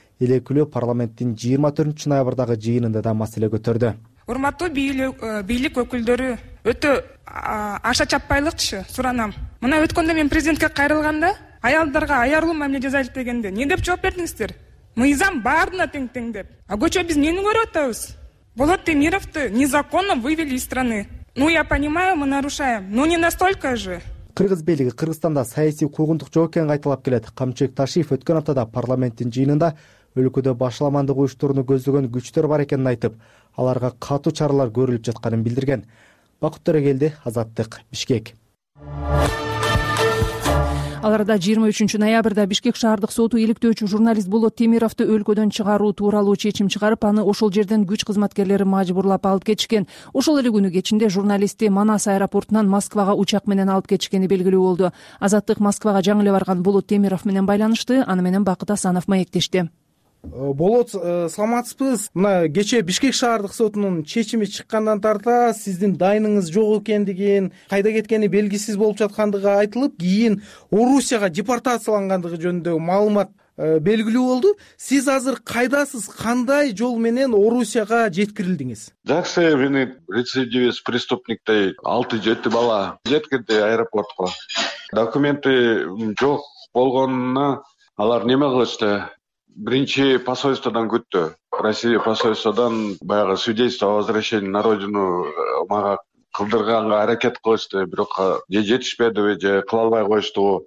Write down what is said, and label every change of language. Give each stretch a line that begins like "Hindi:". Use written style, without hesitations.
Kyrgyz: Эл өкүлү парламенттин 24 ноябрдагы жыйынында да маселе көтөрдү. Урматтуу бийлик өкүлдөрү, өтө аша чаппайлыкчы суранам. Мына өткөндө мен президентке кайрылганда аялдарга аярлуу мамиле жасайлы дегенде эмне деп жооп бердиңиздер? Мыйзам баардына тең-тең деп. А көчө биз эмнени көрүп атабыз?
Russian: Болот Темировду незаконно вывели из страны. Ну я понимаю, мы нарушаем, но не настолько же.
Kyrgyz: Кыргыз бийлиги Кыргызстанда саясий куугунтук жок экенин кайталап келет. Камчыбек Ташиев өткөн аптада парламенттин жыйынында өлкөдө башламандык уюштурууну көздөгөн күчтөр бар экенин айтып, аларга катуу чаралар көрүлүп жатканын билдирген. Бакыт Төрөгелди, Азаттык, Бишкек. Аларда 23 ноябрда Бишкек шаардык соту иликтөөчү журналист Болот Темировду өлкөдөн чыгаруу тууралуу чечим чыгарып, аны ошол жерден күч кызматкерлери мажбурлап алып кетишкен. Ошол эле күнү кечинде журналисти Манас аэропортунан Москвага учак менен алып кетишкени белгилүү болду. Азаттык Москвага жаңы эле барган Болот Темиров менен байланышты, аны менен Бакыт Асанов маектешти. Болот, саламатсызбыз. Мына кечээ Бишкек шаардык сотунун чечими чыккандан тарта сиздин дайыныңыз жок экендигин, кайда кеткени белгисиз болуп жаткандыгы айтылып, кийин Орусияга депортациялангандыгы жөнүндө маалымат белгилүү болду. Сиз азыр кайдасыз? Кандай жол менен Орусияга жеткирилдиңиз? Жакшы, мени рецидивист преступниктей 6-7 бала жеткирди аэропортко. Документи жок болгонуна алар неме кылышты? Биринчи посольстводон күттү. Россия посольстводон баягы
Russian: свидетельство о возвращении на родину
Kyrgyz: мага кылдырганга аракет кылышты, бирок же жетишпедиби, же кыла албай коюштубу.